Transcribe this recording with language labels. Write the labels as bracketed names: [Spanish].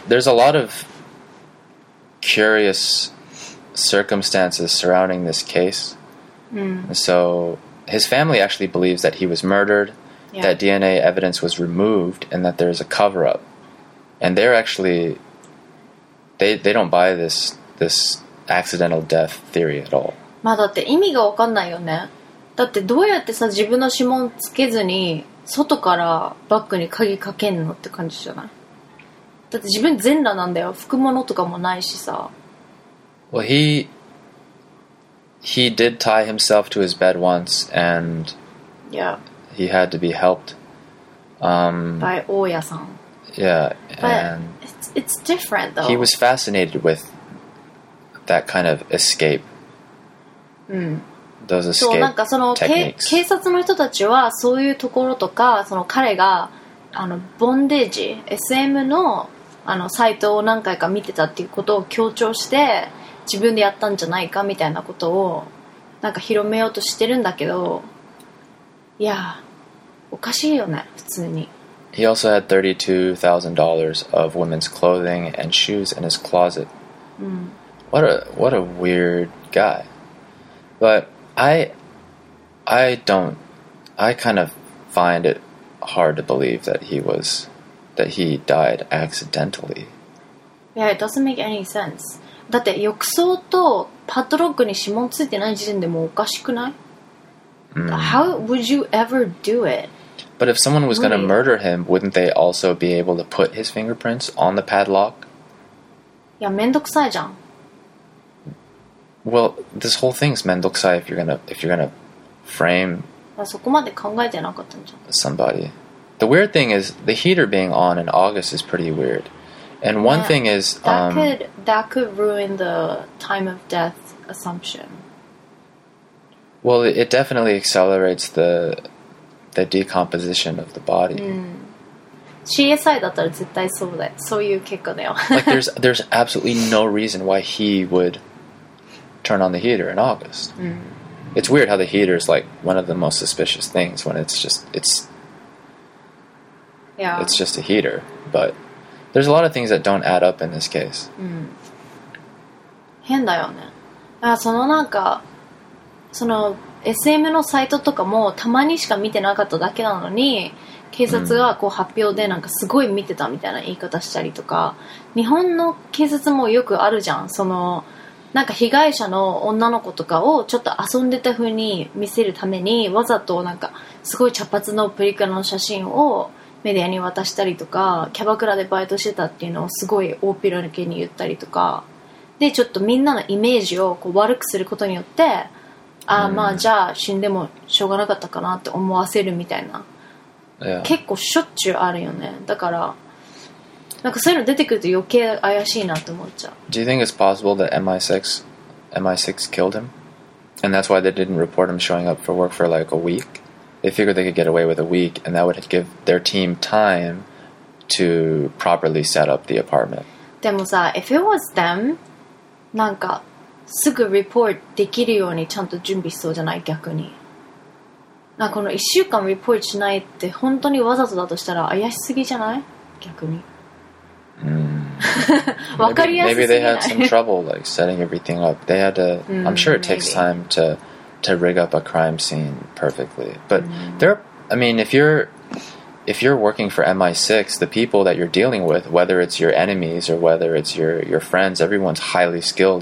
[English] There's a lot of curious circumstances surrounding this case. Mm. So his family actually believes that he was murdered, yeah. that DNA evidence was removed, and that there's a cover-up. And they're actually... They don't buy this accidental death theory at all. [Japanese] まあだって意味が分かんないよね。だってどうやってさ自分の指紋つけずに外からバッグに鍵かけんのって感じじゃない。だって自分全裸なんだよ。服物とかもないしさ。 [English] Well, he did tie himself to his bed once and yeah. he had to be helped by 大家さん。 Yeah, and it's different though. He was fascinated with that kind of escape. Mm. Those escape techniques. [Japanese] そう、なんかその警察の人たちはそういうところとか、その彼があのボンデージ、SM のあのサイトを何回か見てたっていうことを強調して自分でやったんじゃないかみたいなことをなんか広めようとしてるんだけど、いや、おかしいよね、普通に。 [English] He also had $32,000 of women's clothing and shoes in his closet. Mm. What a weird guy. But I kind of find it hard to believe that he died accidentally. Yeah, it doesn't make any sense. [Japanese] だって浴槽とパッドロックに指紋ついてない時点でもおかしくない? [English] How would you ever do it? But if someone was going to murder him, wouldn't they also be able to put his fingerprints on the padlock? [Japanese] いや、めんどくさいじゃん。 [English] Well, this whole thing is [Japanese] めんどくさい [English] if you're gonna frame. [Japanese] そこまで考えてなかったんじゃん。 [English] Somebody. The weird thing is the heater being on in August is pretty weird. And one yeah, thing is that could ruin the time of death assumption. Well, it definitely accelerates the decomposition of the body. [Japanese] CSI だったら絶対そうだよ。そういう結果だよ。 [English] Like there's absolutely no reason why he would turn on the heater in August. It's weird how the heater is like one of the most suspicious things when it's just a heater. But there's a lot of things that don't add up in this case. [Japanese] 変だよね。あ、そのなんか、そのSM のサイトとかもたまにしか見てなかっただけなのに警察がこう発表でなんかすごい見てたみたいな言い方したりとか日本の警察もよくあるじゃんそのなんか被害者の女の子とかをちょっと遊んでた風に見せるためにわざとなんかすごい茶髪のプリクラの写真をメディアに渡したりとかキャバクラでバイトしてたっていうのをすごい大ピラニケに言ったりとかでちょっとみんなのイメージをこう悪くすることによってああまあじゃあ死んでもしょうがなかったかなって思わせるみたいな、 [English] yeah. [Japanese] 結構しょっちゅうあるよねだからなんかそういうの出てくると余計怪しいなって思っちゃう [English] Do you think it's possible that MI6 killed him? And that's why they didn't report him showing up for work for like a week? They figured they could get away with a week and that would give their team time to properly set up the apartment [Japanese] でもさ [English] if it was them [Japanese] なんかすぐリポートできるようにちゃんと準備しそうじゃない逆に。なこの1週間リポートしないって本当にわざとだとしたら怪しすぎじゃない逆に。わかりやすすぎない。 [English] Maybe they had some trouble like setting everything up. They had to. I'm sure it takes time to rig up a crime scene perfectly. But there, I mean, if you're working for MI6, the people that you're dealing with, whether it's your enemies or whether it's your friends, everyone's highly skilled.